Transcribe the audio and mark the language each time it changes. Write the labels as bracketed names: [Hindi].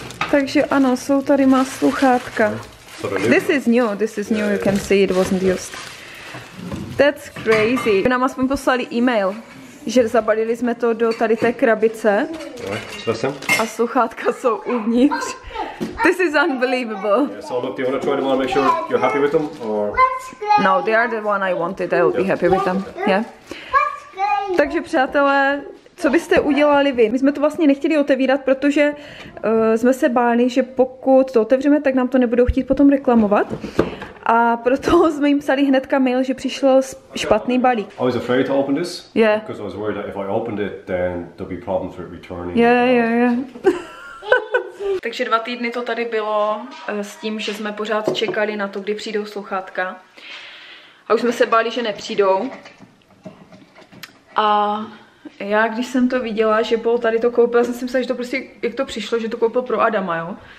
[Czech] Takže ano, jsou tady má sluchátka. [English] This is new, you can see it wasn't used. That's crazy. [Czech] Vy nám aspoň poslali e-mail, že zabalili jsme to do tady té krabice. A sluchátka jsou uvnitř. [English] This is unbelievable. Yeah, so look, do you want to try them on and make sure you're happy with them? Or? No, they are the one I wanted, I'll be happy with them. Yeah. [Czech] Takže přátelé, co byste udělali vy? My jsme to vlastně nechtěli otevírat, protože jsme se báli, že pokud to otevřeme, tak nám to nebudou chtít potom reklamovat. A proto jsme jim psali hnedka mail, že přišel špatný balík. [English] I was afraid to open this. Yeah. Because I was worried that if I opened it, then there'd be problems with returning. Yeah. [Czech] Takže 2 týdny to tady bylo s tím, že jsme pořád čekali na to, kdy přijdou sluchátka. A už jsme se báli, že nepřijdou. A já, když jsem to viděla, že Paul tady to koupil, jsem si myslela, že to prostě, jak to přišlo, že to koupil pro Adama, jo.